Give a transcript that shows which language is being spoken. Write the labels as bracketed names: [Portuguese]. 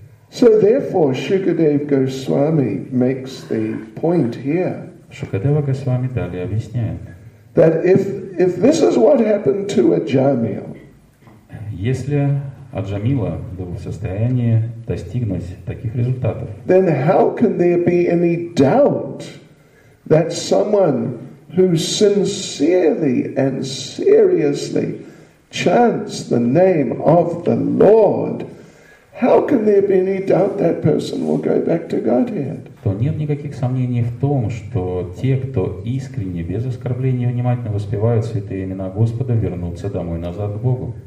[English] So therefore, Shukadeva Goswami makes the point here. [Russian] Шукадева Госвами далее объясняет. [English] That if this is what happened to Ajamil. [Russian] Если Аджамила был в состоянии достигнуть таких результатов. [English] Then how can there be any doubt that someone who sincerely and seriously chants the name of the Lord, how can there be any doubt that person will go back to Godhead? [Russian] То нет никаких сомнений в том, что те, кто искренне, без оскорблений, внимательно воспевают святые имена Господа, вернутся домой назад к Богу.